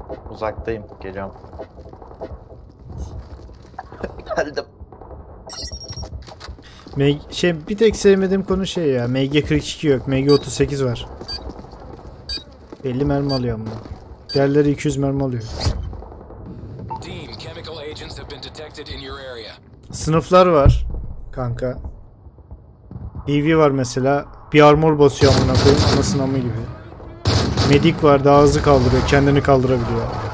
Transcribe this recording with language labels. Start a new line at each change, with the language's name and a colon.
Turkish: Uzaktayım, geliyorum. Geldim. Şey, bir tek sevmediğim konu şey ya, MG 42 yok, MG 38 var. 50 mermi alıyor ama. Diğerleri 200 mermi alıyor.
English: Team, chemical agents have been detected in your area.
Turkish: Sınıflar var kanka. EV var mesela. Bir armor basıyor amına koyayım, ana sınavı gibi. Medic var, daha hızlı kaldırıyor, kendini kaldırabiliyor.